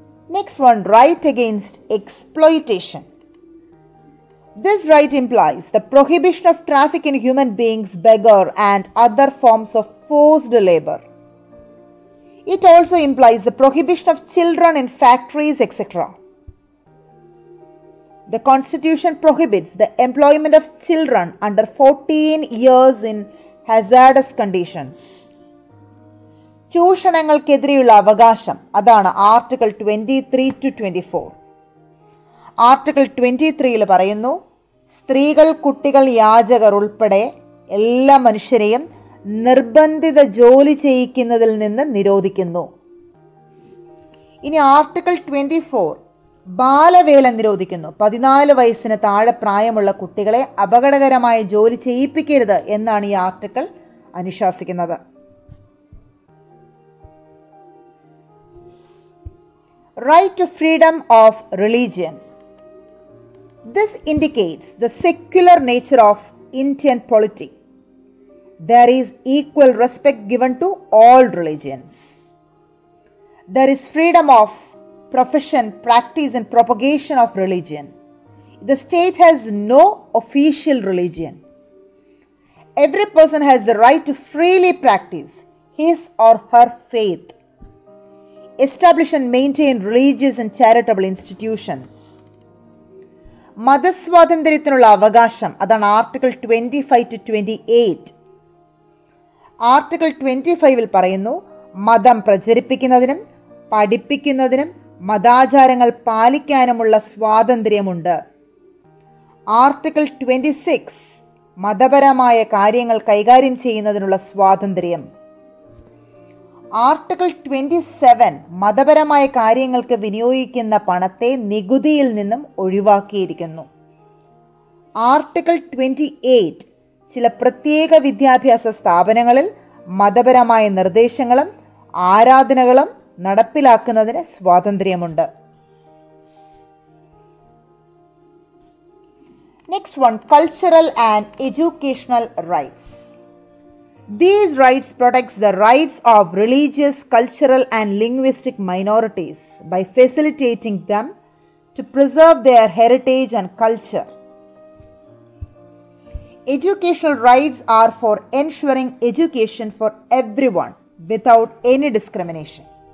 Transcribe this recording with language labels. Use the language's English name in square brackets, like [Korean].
[English] Next one, right against exploitation. This right implies the prohibition of traffic in human beings, begar and other forms of forced labour. It also implies the prohibition of children in factories etcetera. The constitution prohibits the employment of children under 14 years in hazardous conditions. [Malayalam] ചൂഷണങ്ങൾക്കെതിരെയുള്ള അവകാശം, അതാണ് article 23 to 24. Article 23 ൽ പറയുന്നു, സ്ത്രീകൾ കുട്ടികൾ യാചകർ ഉൾപ്പെടെ എല്ലാ മനുഷ്യരെയും നിർബന്ധിത ജോലി ചെയ്യിക്കുന്നതിൽ നിന്ന് നിരോധിക്കുന്നു. ഇനി ആർട്ടിക്കിൾ 24 ബാലവേല നിരോധിക്കുന്നു. 14 വയസ്സിന് താഴെ പ്രായമുള്ള കുട്ടികളെ അപകടകരമായ ജോലി ചെയ്യിപ്പിക്കരുത് എന്നാണ് ഈ article അനുശാസിക്കുന്നത്. [English] Right to freedom of religion. This indicates the secular nature of Indian polity. There is equal respect given to all religions. There is freedom of profession, practice and propagation of religion. The state has no official religion. Every person has the right to freely practice his or her faith. Establish and maintain religious and charitable institutions. [Malayalam] മതസ്വാതന്ത്ര്യത്തിനുള്ള അവകാശം, അതാണ് article 25 to 28. Article 25 പറയുന്നു, മതം പ്രചരിപ്പിക്കുന്നതിനും പഠിപ്പിക്കുന്നതിനും മതാചാരങ്ങൾ പാലിക്കാനുമുള്ള സ്വാതന്ത്ര്യമുണ്ട്. Article 26 മതപരമായ കാര്യങ്ങൾ കൈകാര്യം ചെയ്യുന്നതിനുള്ള സ്വാതന്ത്ര്യം. ആർട്ടിക്കിൾ 27 മതപരമായ കാര്യങ്ങൾക്ക് വിനിയോഗിക്കുന്ന പണത്തെ നികുതിയിൽ നിന്നും ഒഴിവാക്കിയിരിക്കുന്നു. ആർട്ടിക്കിൾ 28 ചില പ്രത്യേക വിദ്യാഭ്യാസ സ്ഥാപനങ്ങളിൽ മതപരമായ നിർദ്ദേശങ്ങളും ആരാധനകളും നടപ്പിലാക്കുന്നതിന് സ്വാതന്ത്ര്യമുണ്ട്. [English] Next one, cultural and educational rights. These rights protects the rights of religious, cultural and linguistic minorities by facilitating them to preserve their heritage and culture. Educational rights are for ensuring education for everyone without any discrimination.